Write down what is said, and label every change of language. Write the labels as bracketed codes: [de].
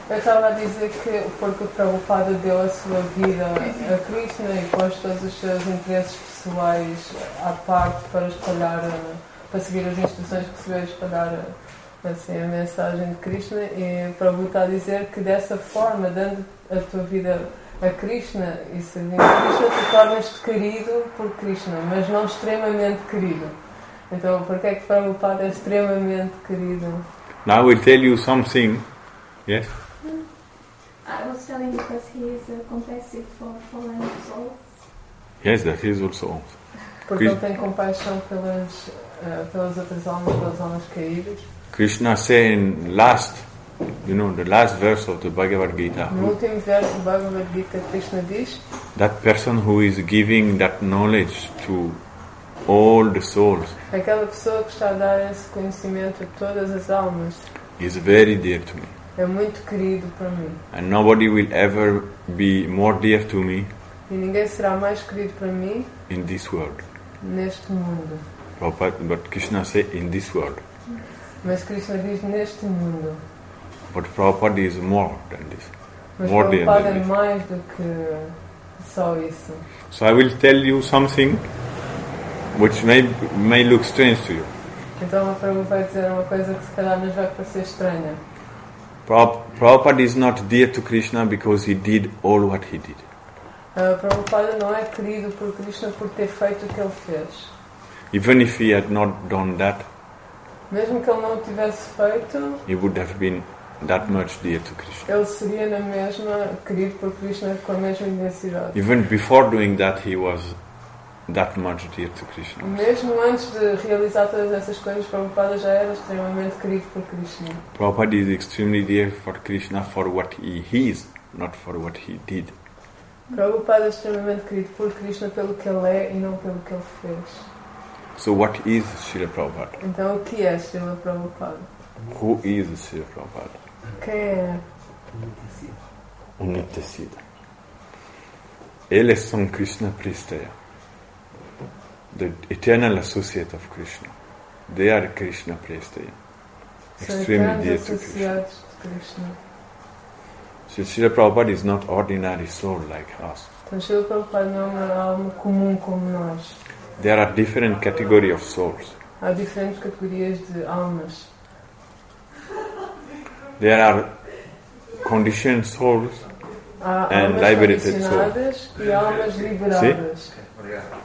[pt] Eu estava a dizer que porque o Prabhupada deu a sua vida a Krishna e pôs todos os seus interesses pessoais à parte para seguir as instruções que recebeu e espalhar assim, a mensagem de Krishna, e Prabhupada a dizer que dessa forma, dando a tua vida a Krishna e servindo a Krishna, tu tornas-te querido por Krishna, mas não extremamente querido. Então, porque é que Prabhupada é extremamente querido? [en] Now I will tell you something. Yes? I was telling because he is compassive for fallen souls. Yes, that is also. [pt] Porque ele tem compaixão pelas outras almas, pelas almas caídas. [en] Krishna says in the last verse of the Bhagavad Gita. [pt] No último verso do Bhagavad Gita, Krishna diz: [en] that person who is giving that knowledge to all the souls. [pt] Aquela pessoa que está a dar esse conhecimento a todas as almas. [en] Is very dear to me. [pt] É muito querido para mim. [en] And nobody will ever be more dear to me. [pt] E ninguém será mais querido para mim. [en] In this world. [pt] Neste mundo. [en] But Krishna says in this world. [pt] Mas Krishna diz neste mundo. [en] But Prabhupada is more than this. [pt] Mas [en] more than this. [pt] Prabhupada é mais do que só isso. [en] So I will tell you something which may look strange to you. [pt] Então o Prabhupada vai dizer uma coisa que se calhar nos vai parecer estranha. [en] Prabhupada is not dear to Krishna because he did all what he did. [pt] Prabhupada não é querido por Krishna por ter feito o que ele fez. [en] Even if he had not done that, [pt] mesmo que ele não o tivesse feito, [en] he would have been that much dear to Krishna. [pt] Ele seria na mesma querido por Krishna com a mesma intensidade. [en] Even before doing that, he was that much dear to Krishna. [pt] Mesmo antes de realizar todas essas coisas, Prabhupada já era extremamente querido por Krishna. [en] Prabhupada is extremely dear for Krishna for what he is, not for what he did. [pt] Prabhupada é extremamente querido por Krishna pelo que ele é e não pelo que ele fez. [en] So what is Srila Prabhupada? [pt] Então o que é Srila Prabhupada? [en] Who is Srila Prabhupada? [pt] Quem é? Unitesida. Ele é São Krishna Pristaya. [en] The eternal associate of Krishna. They are Krishna Pristaya. Extremely dear to Krishna. So Srila Prabhupada is not ordinary soul like us. [pt] Então Srila Prabhupada não é uma alma comum como nós. [en] There are different categories of souls. [pt] Há diferentes categorias de almas. [en] There are conditioned souls and liberated souls. [pt] E almas liberadas. Sim?